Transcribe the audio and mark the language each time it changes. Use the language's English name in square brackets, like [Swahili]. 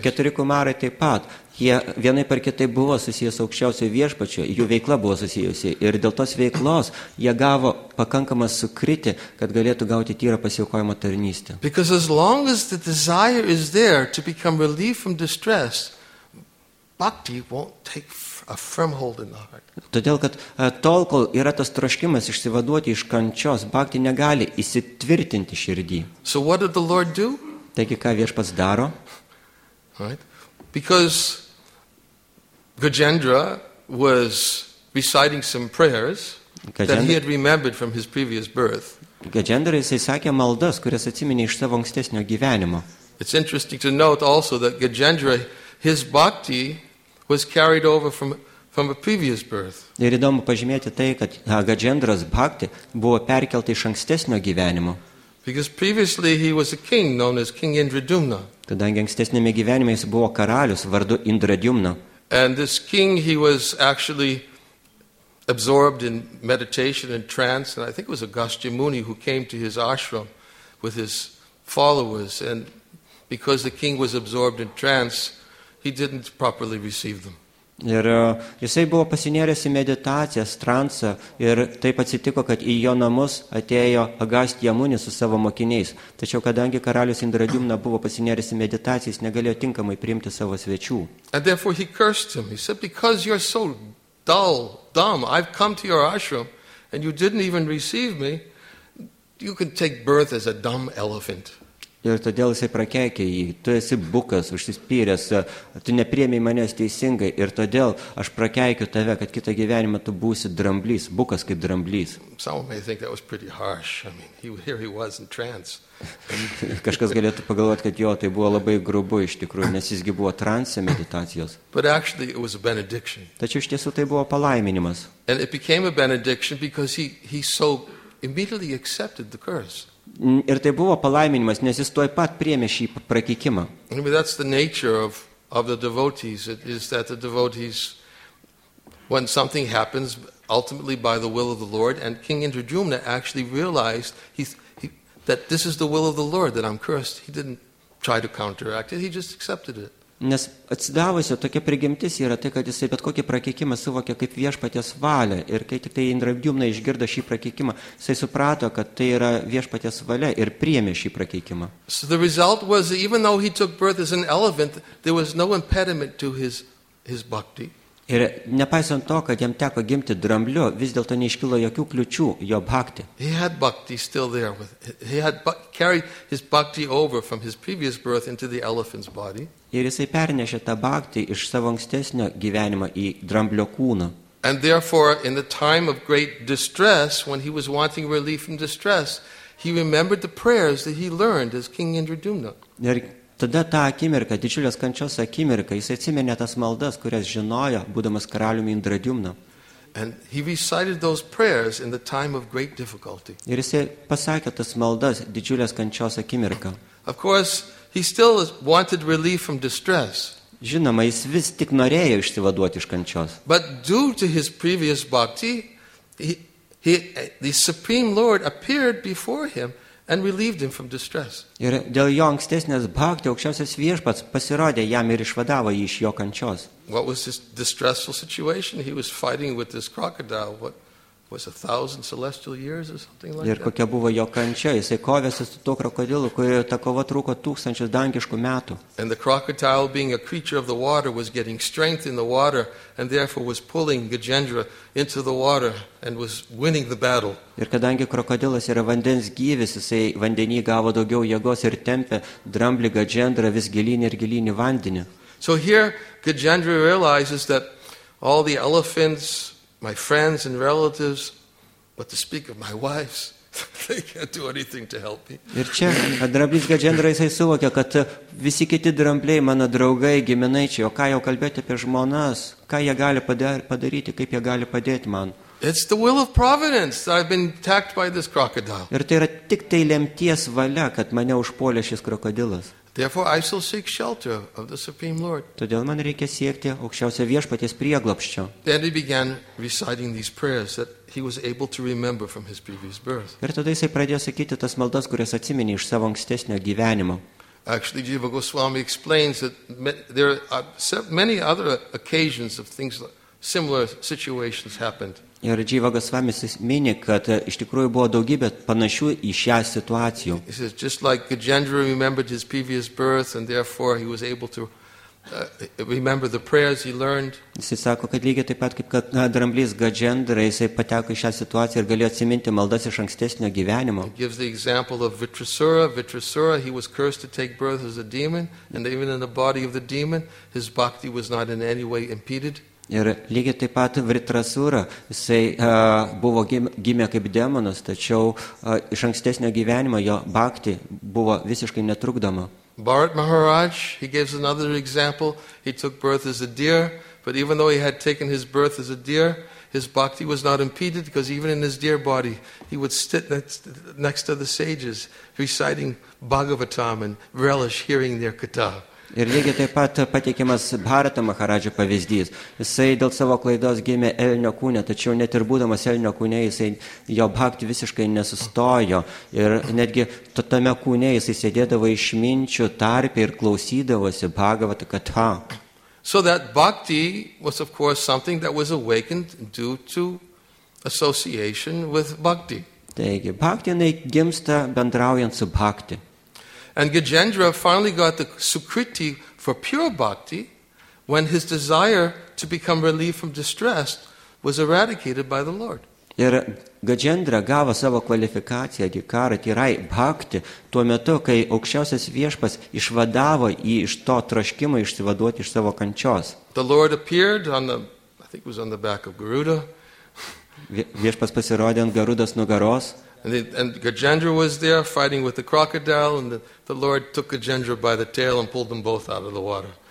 [Lithuanian] Ir keturi kumarai taip pat, jie vienai per kitai buvo susiję su aukščiausio viešpačio, jų veikla buvo susijusi, ir dėl tos veiklos jie gavo pakankamą sukriti, kad galėtų gauti tyrą pasiaukojimo tarnystę. [English] Because as long as the desire is there to become relieved from distress, bhakti won't take a firm hold in the heart. [Lithuanian] Todėl, kad tol, kol yra tas troškimas išsivaduoti iš kančios, bhakti negali įsitvirtinti širdį. [English] So what did the Lord do? [Lithuanian] Taigi, ką viešpats daro? [English] Right. Because Gajendra was reciting some prayers that he had remembered from his previous birth. [Lithuanian] Gajendra, jisai sakė maldas, kurias atsiminė iš savo ankstesnio gyvenimo. [English] It's interesting to note also that Gajendra, his bhakti was carried over from a previous birth. [Lithuanian] Ir įdomu pažymėti tai, kad Gajendras bhakti buvo perkelta iš ankstesnio gyvenimo. [English] Because previously he was a king known as King Indradyumna. [Lithuanian] Kadangi ankstesnėme gyvenime jis buvo karalius vardu Indradyumna. [English] And this king, he was actually absorbed in meditation and trance, and I think it was Agastya Muni who came to his ashram with his followers, and because the king was absorbed in trance, he didn't properly receive them. [Lithuanian] Ir jisai buvo pasinėręs į meditaciją, transą, ir taip atsitiko, kad į jo namus atėjo Agastya Muni su savo mokiniais. Tačiau kadangi karalius Indradyumna buvo pasinėręs į meditaciją, jis negalėjo tinkamai priimti savo svečių. [English] And therefore he cursed him. He said, because you're so dull, dumb, I've come to your ashram, and you didn't even receive me, you can take birth as a dumb elephant. [Lithuanian] Ir todėl jisai prakeikė jį, tu esi bukas, užsispyręs, tu nepriėmėj manęs teisingai, ir todėl aš prakeikiu tave, kad kitą gyvenimą tu būsi dramblys, bukas kaip dramblys. [English] Some may think that was pretty harsh. I mean, here he was in trance. [Lithuanian] Kažkas galėtų pagalvoti, kad jo, tai buvo labai grubu iš tikrųjų, nes jisgi buvo transe meditacijos. [English] But actually it was a benediction. [Lithuanian] Tačiau iš tiesų tai buvo palaiminimas. [English] And it became a benediction because he so immediately accepted the curse. [Lithuanian] Ir tai buvo palaiminimas, nes jis tuoj pat priėmė šį prakeikimą. [English] I mean, that's the nature of the devotees. It is that the devotees, when something happens, ultimately by the will of the Lord, and King Indradyumna actually realized that this is the will of the Lord, that I'm cursed. He didn't try to counteract it, he just accepted it. [Lithuanian] Nes atsidavusio tokia prigimtis yra tai, kad jisai bet kokį prakeikimą suvokė kaip viešpatės valią. Ir kai tik tai Indradyumna išgirdo šį prakeikimą, jisai suprato, kad tai yra viešpatės valia ir priėmė šį prakeikimą. [English] So the result was, even though he took birth as an elephant, there was no impediment to his bhakti. [Lithuanian] Ir nepaisant to, kad jam teko gimti drambliu, vis dėlto neiškilo jokių kliučių jo bhakti. [English] He had bhakti still there. He had carried his bhakti over from his previous birth into the elephant's body. [Lithuanian] Ir jisai pernešė tą bhakti iš savo ankstesnio gyvenimo į dramblio kūną. [English] And therefore, in the time of great distress, when he was wanting relief from distress, he remembered the prayers that he learned as King Indradyumna. [Lithuanian] Ir Tada tą akimirką, didžiulės kančios akimirką, jis atsiminė tas maldas, kurias žinojo, būdamas karaliumi Indradiumna. Ir jis pasakė tas maldas didžiulės kančios akimirką. [English] Of course, he still wanted relief from distress. [Lithuanian] Žinoma, jis vis tik norėjo išsivaduoti iš kančios. [English] But due to his previous bhakti, the Supreme Lord appeared before him and relieved him from distress. [Lithuanian] Ir dėl jo ankstesnės bhakti, aukščiausias viešpats pasirodė jam ir išvadavo jį iš jo kančios. [English] What was this distressful situation? He was fighting with this crocodile. What was 1,000 celestial years or something like that? [Lithuanian] Ir kokia buvo jo kančia? Jisai kovėsi su tuo krokodilu, kurio ta kova truko 1,000 dangiškų metų. [English] And the crocodile, being a creature of the water, was getting strength in the water, and therefore was pulling Gajendra into the water and was winning the battle. [Lithuanian] Ir kadangi krokodilas yra vandens gyvis, jisai vandenį gavo daugiau jėgos ir tempė dramblį Gajendra vis gilyn ir gilyn į vandenį. [English] So here Gajendra realizes that all the elephants, my friends and relatives, but to speak of my wives, they can't do anything to help me. [Lithuanian] Ir čia dramblys Gajendra jisai suvokė, kad visi kiti drambliai, mano draugai, giminaičiai, o ką jau kalbėti apie žmonas, ką jie gali padaryti, kaip jie gali padėti man. [English] It's the will of providence that I've been attacked by this crocodile. [Lithuanian] Ir tai yra tik tai lemties valia, kad mane užpuolė šis krokodilas. [English] Therefore I shall seek shelter of the Supreme Lord. [Lithuanian] Todėl man reikia siekti aukščiausio viešpaties prieglobščio. [English] Then he began reciting these prayers that he was able to remember from his previous birth. [Lithuanian] Ir tada jisai pradėjo sakyti tas maldas, kurias atsiminė iš savo ankstesnio gyvenimo. [English] Actually, Jiva Goswami explains that there are many other occasions of things like similar situations happened. [Lithuanian] Ir Jiva Goswami mini, kad iš tikrųjų buvo daugybė panašių į šią situaciją. [English] It is just like Gajendra remembered his previous birth and therefore he was able to remember the prayers he learned. [Lithuanian] Jis sako, kad lygiai taip pat kaip kad dramblys Gajendra, jisai pateko į šią situaciją ir galėjo atsiminti maldas iš ankstesnio gyvenimo. [English] He gives the example of Vitrasura. Vitrasura, he was cursed to take birth as a demon, and even in the body of the demon his bhakti was not in any way impeded. [Lithuanian] Ir lygiai taip pat Vritrasura, jisai buvo gimė kaip demonas, tačiau iš ankstesnio gyvenimo jo bhakti buvo visiškai netrukdoma. [English] Bharat Maharaj, he gives another example, he took birth as a deer, but even though he had taken his birth as a deer, his bhakti was not impeded, because even in his deer body, he would sit next to the sages, reciting Bhagavatam and relish hearing their katha. [Lithuanian] Ir lygiai taip pat pateikiamas Bharata Maharadžio pavyzdys. Jisai dėl savo klaidos gimė elnio kūne, tačiau net ir būdamas elnio kūne, jisai jo bhakti visiškai nesustojo. Ir netgi tame kūne jisai sėdėdavo išminčių tarpį ir klausydavosi Bhagavata katha. So that bhakti was of course something that was awakened due to association with bhakti. Taigi, bhakti jinai gimsta bendraujant su bhakti. [English] And Gajendra finally got the sukriti for pure bhakti when his desire to become relieved from distress was eradicated by the Lord. [Lithuanian] Ir Gajendra gavo savo kvalifikaciją adhikara tirai bhakti tuo metu, kai aukščiausias viešpas išvadavo jį iš to troškimo išsivaduoti iš savo kančios. [English] The Lord appeared on the, I think it was on the back of Garuda. [Lithuanian] Viešpas pasirodė ant Garudos nugaros. [English] And Gajendra was there fighting with the crocodile, and the Lord took Gajendra by the tail and pulled them both out of the water.